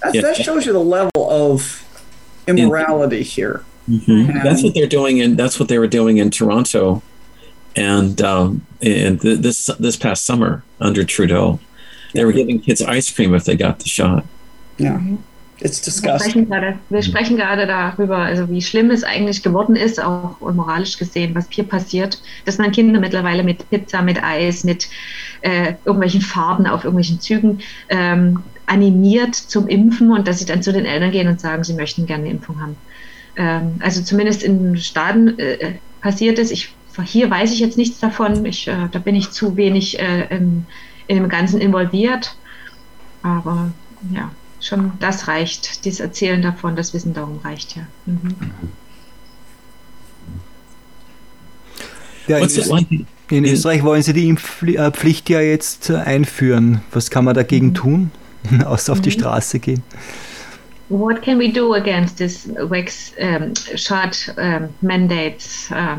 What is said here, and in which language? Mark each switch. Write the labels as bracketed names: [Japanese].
[English] That shows you the level of immorality here. Mm-hmm. That's what they're doing. And that's what they were doing in Toronto. And this past summer under Trudeau, they were giving kids ice cream if they got the shot. Yeah. It's disgusting. [German] Wir sprechen gerade darüber, also wie schlimm es eigentlich geworden ist, auch moralisch gesehen, was hier passiert, dass man Kinder mittlerweile mit Pizza, mit Eis, mit irgendwelchen Farben auf irgendwelchen Zügen animiert zum Impfen und dass sie dann zu den Eltern gehen und sagen, sie möchten gerne eine Impfung haben. Also zumindest in Staaten passiert es. Hier weiß ich jetzt nichts davon. Da bin ich zu wenig in dem Ganzen involviert. Aber ja. Schon das reicht, dieses Erzählen davon, das Wissen darum reicht, ja. Mhm. Ja, in Österreich wollen sie die Impfpflicht ja jetzt einführen. Was kann man dagegen tun, außer auf die Straße gehen? [English] What can we do against this Vax shot mandates?